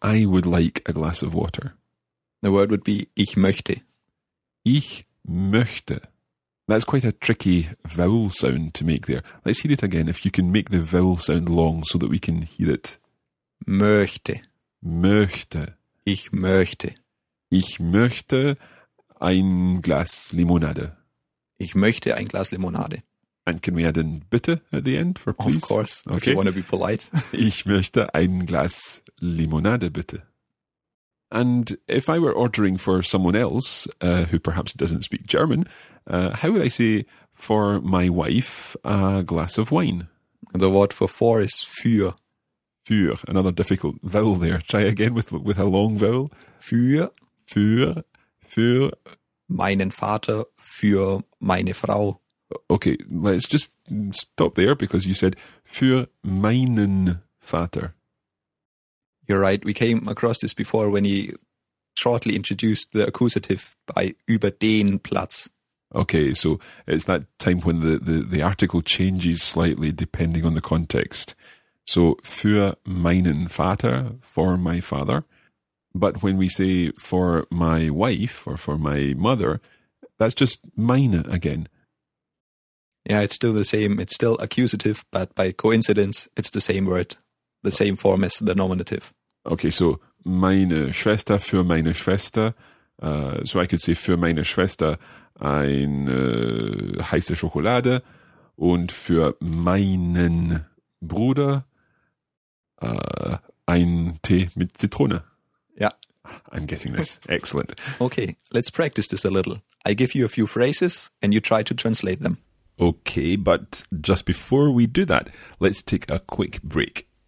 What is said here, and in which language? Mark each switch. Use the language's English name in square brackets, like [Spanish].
[English] I would like a glass of water. The word would be ich möchte. [German] Ich möchte. [English] That's quite a tricky vowel sound to make there. Let's hear it again, if you can make the vowel sound long so that we can hear it. [German] Möchte. Möchte. Ich möchte. Ich möchte ein Glas Limonade. Ich möchte ein Glas Limonade. [English] And can we add in bitte at the end for please? Of course, okay. If you want to be polite. [German] Ich möchte ein Glas Limonade, bitte. [English] And if I were ordering for someone else, who perhaps doesn't speak German, how would I say, for my wife, a glass of wine? The word for is für. Für, another difficult vowel there. Try again with a long vowel. [German] Für. Für. Für. Meinen Vater, für meine Frau. [English] Okay, let's just stop there because you said für meinen Vater. You're right. We came across this before when he shortly introduced the accusative by über den Platz. Okay, so it's that time when the article changes slightly depending on the context. So für meinen Vater, for my father. But when we say for my wife or for my mother, that's just meine again. Yeah, it's still the same. It's still accusative, but by coincidence, it's the same word, the same form as the nominative. [German] Okay, so meine Schwester, für meine Schwester. So I could say für meine Schwester eine heiße Schokolade und für meinen Bruder ein Tee mit Zitrone. [English] Yeah. I'm getting this. Excellent. Okay, let's practice this a little. I give you a few phrases and you try to translate them. Okay, but just before we do that, let's take a quick break.